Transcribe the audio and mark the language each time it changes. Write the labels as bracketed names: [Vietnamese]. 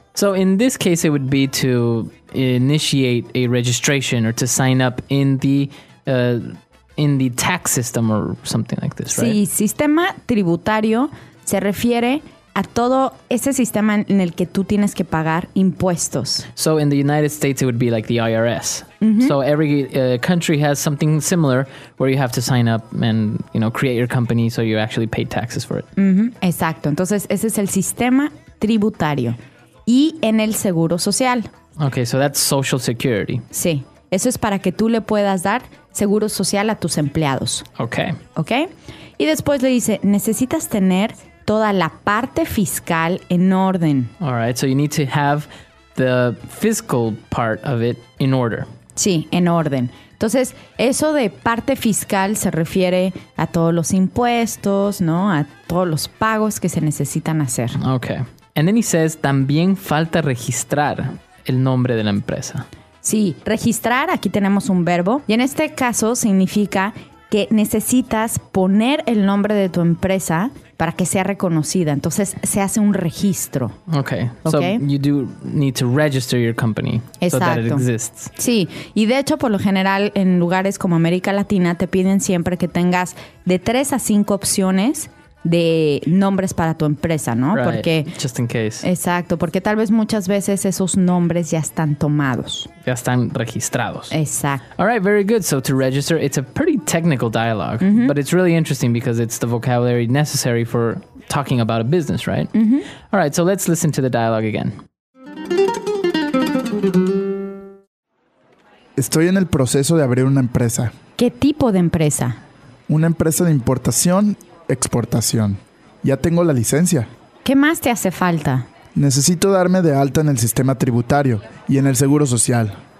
[English] So in this case, it would be to initiate a registration or to sign up in the tax system or something like this, right? [Spanish] Sí, sistema tributario se refiere a todo ese sistema en el que tú tienes que pagar impuestos. [English] So in the United States, it would be like the IRS. Mm-hmm. So every country has something similar where you have to sign up and, you know, create your company so you actually pay taxes for it. [Spanish] Mm-hmm. Exacto. Entonces, ese es el sistema tributario. Y en el seguro social. [English] Okay, so that's social security. [Spanish] Sí. Eso es para que tú le puedas dar seguro social a tus empleados. [English] Ok. Ok. [Spanish] Y después le dice, necesitas tener toda la parte fiscal en orden. [English] All right. So you need to have the fiscal part of it in order. [Spanish] Sí, en orden. Entonces, eso de parte fiscal se refiere a todos los impuestos, ¿no? A todos los pagos que se necesitan hacer. [English] Ok. And then he says, también falta registrar el nombre de la empresa. [Spanish] Sí, registrar, aquí tenemos un verbo. Y en este caso significa que necesitas poner el nombre de tu empresa para que sea reconocida. Entonces, se hace un registro. [English] Okay. Okay. So, you do need to register your company. [Spanish] Exacto. [English] So that it exists. [Spanish] Sí. Y de hecho, por lo general, en lugares como América Latina, te piden siempre que tengas de 3 a 5 opciones de nombres para tu empresa, ¿no? [English] Right. [Spanish] Porque [English] just in case. [Spanish] Exacto, porque tal vez muchas veces esos nombres ya están tomados. Ya están registrados. Exacto. [English] All right, very good. So to register, it's a pretty technical dialogue, mm-hmm. but it's really interesting because it's the vocabulary necessary for talking about a business, right? Mm-hmm. All right, so let's listen to the dialogue again. [Spanish] Estoy en el proceso de abrir una empresa. ¿Qué tipo de empresa? Una empresa de importación, exportación. Ya tengo la licencia. ¿Qué más te hace falta? Necesito darme de alta en el sistema tributario y en el seguro social.